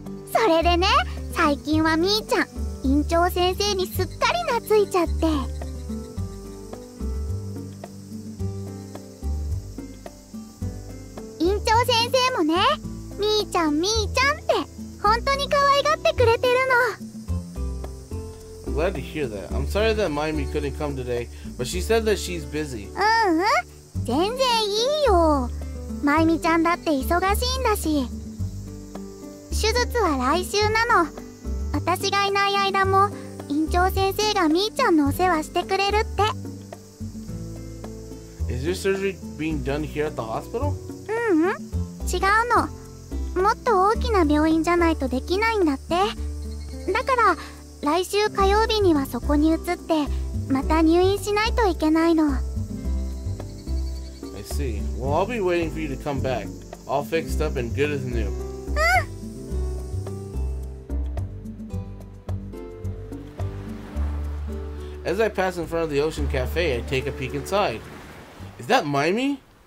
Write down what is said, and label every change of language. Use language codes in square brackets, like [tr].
[ja] それでね、最近はみーちゃん、院長先生にすっかり懐いちゃって。院長先生もね、みーちゃん、みーちゃんって、本当に可愛がってくれてるの。 [en] I'm glad to hear that. I'm sorry that Maimi couldn't come today, but she said that she's busy. [ja] うん、全然いいよ。まゆみちゃんだって忙しいんだし、手術は来週なの。私がいない間も院長先生がみーちゃんのお世話してくれるって。 [en] Is your surgery being done here at the hospital? [ja] ううん、違うの。もっと大きな病院じゃないとできないんだって。だから来週火曜日にはそこに移って、また入院しないといけないの。 [en] Well, I'll be waiting for you to come back. All fixed up and good as new. As I pass in front of the Ocean Cafe, I take a peek inside. Is that Maimi?